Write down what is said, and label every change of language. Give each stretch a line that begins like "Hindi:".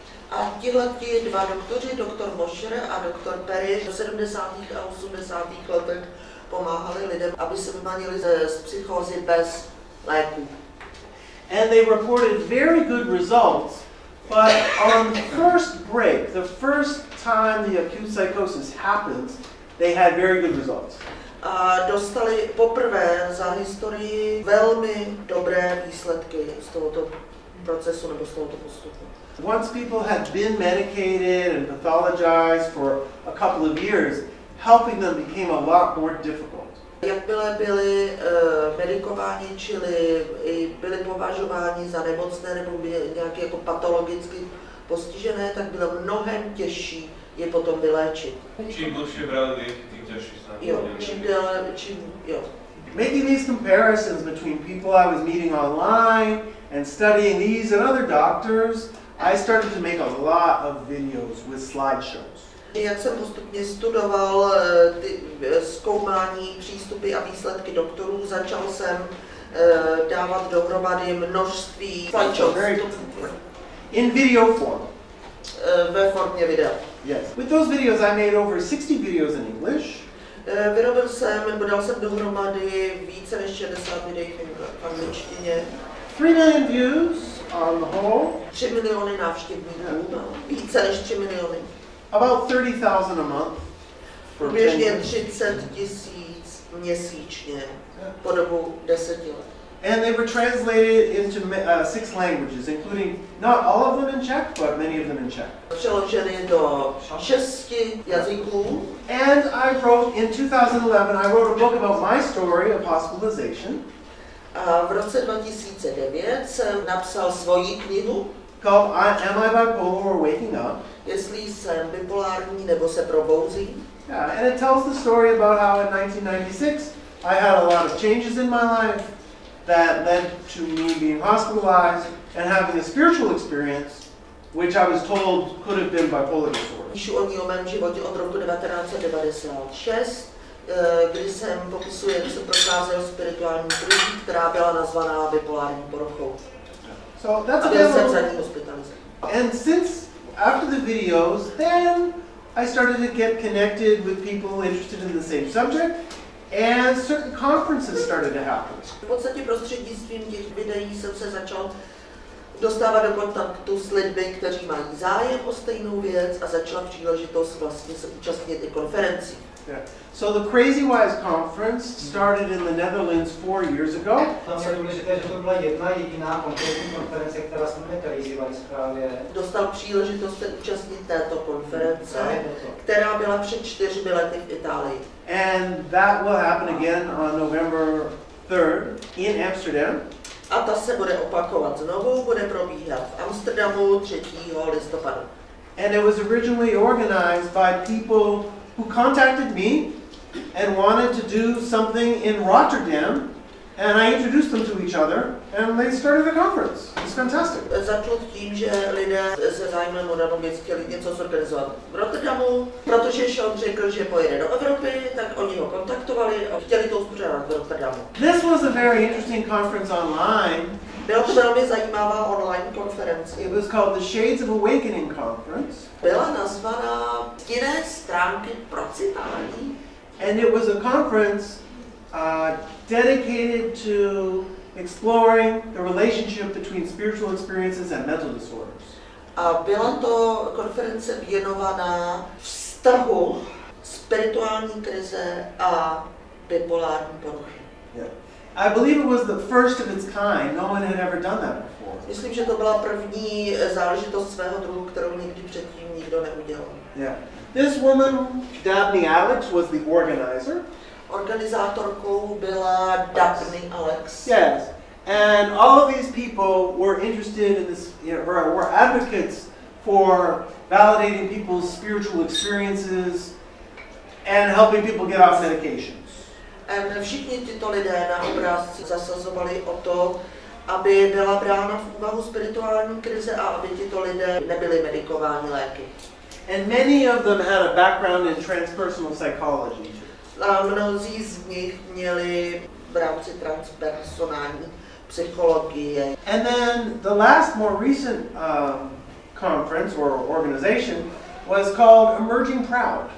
Czech: A tihle ti dva doktoři, Dr. Mosher a Dr. Perry, v 70. a 80. letech pomáhali lidem, aby se vymanili z psychózy bez léků.
English: And they reported very good results. But on the first break, the first time the acute psychosis happens, they had very good results.
Czech: A dostali poprvé za historii velmi dobré výsledky z tohoto procesu nebo z tohoto postupu.
English: Once people had been medicated and pathologized for a couple of years, helping them became a lot more difficult.
Czech: Jakmile byli medikováni, čili i byli považováni za nemocné nebo nějaké jako patologicky postižené, tak bylo mnohem těžší je potom vyléčit. Čím dlouhší brali, tím těžší se. Jo, čím
English: Making these comparisons between people I was meeting online and studying these and other doctors, I started to make a lot of videos with slideshows.
Czech: Jak jsem postupně studoval ty zkoumání, přístupy a výsledky doktorů, začal jsem dávat dohromady množství slideshows.
English: In video form.
Czech: ve formě videa.
English: Yes. With those videos I made over 60 videos in English.
Czech: Vyrobil jsem, nebo dal jsem dohromady více než 60 videí v angličtině.
English: 3 million views on the whole.
Czech: 3 miliony návštěvníků. Yeah. Více než 3 miliony.
English: About 30,000 a month.
Czech: Přibližně 30 tisíc měsíčně, yeah, po dobu 10 let.
English: And they were translated into 6 languages, including not all of them in Czech, but many of them in Czech.
Czech: Přeloženy do 6 jazyků.
English: And I wrote in 2011, I wrote a book about my story of hospitalization.
Czech: A v roce 2009 jsem napsal svoji knihu.
English: Called Am I Bipolar or Waking Up?
Czech: Jestli jsem bipolární nebo se probouzím.
English: Yeah, and it tells the story about how in 1996 I had a lot of changes in my life that led to me being hospitalized and having a spiritual experience, which I was told could have been bipolar disorder.
Czech: Píšu o mém životě od roku 1996, kdy jsem popisuje, jak jsem procházel spirituální krizí, která byla nazvaná bipolární poruchou.
English: So that's
Czech: a byl jsem za ní hospitalizován.
English: And since, after the videos, then I started to get connected with people interested in the same subject, and certain conferences started to happen.
Czech: V podstatě prostřednictvím těch videí jsem se začal dostávat do kontaktu s lidmi, kteří mají zájem o stejnou věc, a začala příležitost vlastně se účastnit i konferencí.
English: Yeah. So the Crazy Wise conference started in the Netherlands 4 years ago.
Czech: Tam se důležité, že to byla jedna jediná konkrétní konference, která jsme nekalizovali správě. Dostal příležitost se účastnit této konference, která byla před 4 lety v Itálii.
English: And that will happen again on November 3rd in Amsterdam.
Czech: A ta se bude opakovat znovu, bude probíhat v Amsterdamu 3. listopadu.
English: And it was originally organized by people who contacted me and wanted to do something in Rotterdam, and I introduced them to each other, and they started the conference. It's fantastic.
Czech: Začalo tím, že lidé se zájmem o danou věc chtěli něco zorganizovat v Rotterdamu, protože Sean řekl, že pojede do Evropy, tak oni ho kontaktovali a chtěli to uspořádat v Rotterdamu.
English: This was a very interesting conference online.
Czech: Byla to velmi zajímavá online konference.
English: It was called the Shades of Awakening Conference.
Czech: Byla nazvaná Stinné stránky procitání.
English: And it was a conference dedicated to exploring the relationship between spiritual experiences and mental disorders.
Czech: A byla to konference věnovaná vztahu spirituální krize a bipolární poruchy.
English: Yeah. I believe it was the first of its kind. No one had ever done that before. Myslím, že to byla první záležitost svého druhu, kterou nikdy předtím nikdo neudělal. Yeah. This woman, Daphne Alex, was the organizer.
Czech: Organizátorkou byla Daphne Alex.
English: Yes. And all of these people were interested in this, you know, were advocates for validating people's spiritual experiences and helping people get off medication.
Czech: Všichni tyto lidé na obrázci zasazovali o to, aby byla brána v úvahu spirituální krize a aby tyto lidé nebyli medikováni léky.
English: And many of them had a background in transpersonal psychology.
Czech: A mnozí z nich měli v rámci transpersonální psychologie.
English: And then the last more recent conference or organization was called Emerging Proud.